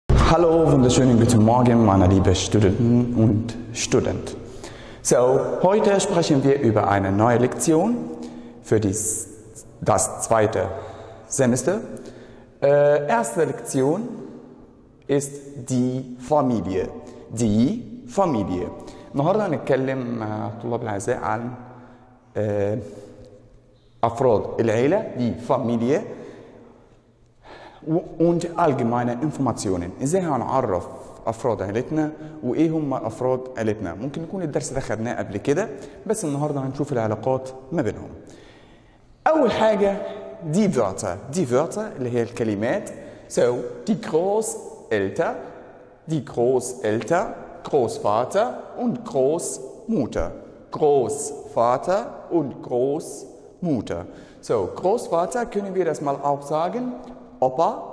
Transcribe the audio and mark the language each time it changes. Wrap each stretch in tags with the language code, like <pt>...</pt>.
<de>Hallo, wunderschönen guten Morgen, meine liebe Studenten und Studenten. So, heute sprechen wir über eine neue Lektion für das zweite Semester. Erste Lektion ist die Familie. Die Familie.</de> <ar>النهارده هنتكلم مع الطلاب الاعزاء عن افراد العيله دي فاميليا</ar> <de>und allgemeine Informationen.</de> <ar>ازاي هنعرف افراد عيلتنا وايه هم افراد عيلتنا. ممكن يكون الدرس ده خدناه قبل كده بس النهارده هنشوف العلاقات ما بينهم. اول حاجه دي فيرتا. دي فيرتا اللي هي الكلمات.</ar> <de>So die Großeltern, die Großeltern, Großvater und Großmutter. Großvater und Großmutter. So, Großvater können wir das mal auch sagen, Opa.</de>